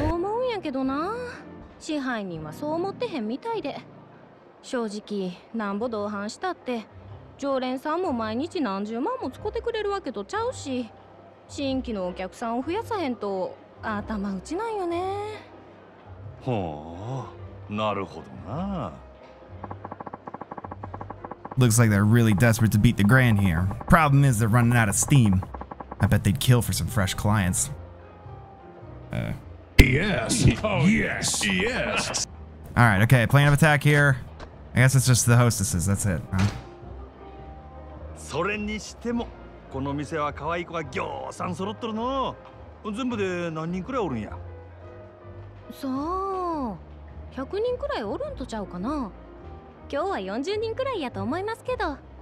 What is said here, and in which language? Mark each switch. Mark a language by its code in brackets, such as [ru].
[ja] そう思うんやけどな。支配人はそう思ってへんみたいで。正直、なんぼ同伴したって、常連さんも毎日何十万も使ってくれるわけとちゃうし、新規のお客さんを増やさへんと頭打ちないよね。ほう、なるほどな。 [en] Looks like they're really desperate to beat the grand here. Problem is, they're running out of steam. I bet they'd kill for some fresh clients. Yes. Oh, yes. Yes. All right, okay, plan of attack here. I guess it's just the hostesses, that's it. [ja] それにしてもこの店は可愛い子がぎょうさん揃っとるの。全部で何人くらいおるんや。そう、100人くらいおるんとちゃうかな。今日は40人くらいやと思いますけど。